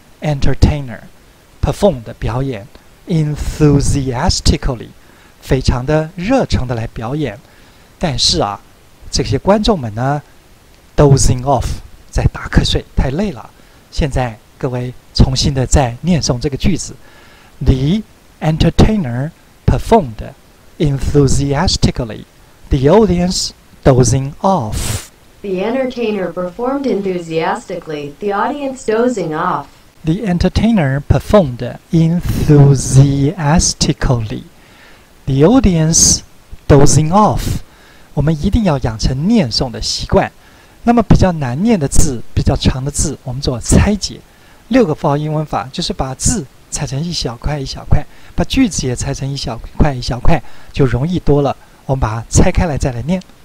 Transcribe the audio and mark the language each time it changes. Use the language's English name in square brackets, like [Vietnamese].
[English] Entertainer， [Chinese] perform 的表演， [English] enthusiastically， [Chinese] 非常的热诚的来表演。但是啊，这些观众们呢 [English] dozing off， [Chinese] 在打瞌睡，太累了。现在各位重新的再念诵这个句子。 [English] The entertainer performed enthusiastically. The audience dozing off. The entertainer performed enthusiastically. The audience dozing off. The entertainer performed enthusiastically. The audience dozing off. [Chinese] 我们一定要养成念诵的习惯。那么比较难念的字，比较长的字，我们做拆解。六个符号英文法就是把字拆成一小块一小块，把句子也拆成一小块一小块，就容易多了。我们把它拆开来再来念。